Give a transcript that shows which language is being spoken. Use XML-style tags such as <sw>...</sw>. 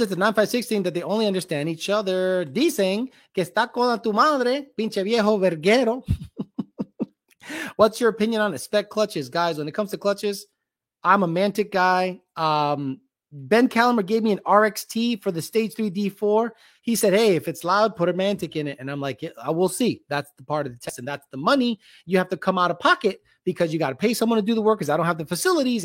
<en>It's a 956 thing that they only understand each other.</en> <es>Dicen que está con tu madre, pinche viejo verguero.</es> <en>What's your opinion on spec clutches, guys? When it comes to clutches, I'm a Mantic guy. Ben Callimer gave me an RXT for the Stage 3 D4. He said, hey, if it's loud, put a Mantic in it. And I'm like, yeah, I will see. That's the part of the test. And that's the money you have to come out of pocket because you got to pay someone to do the work because I don't have the facilities.</en>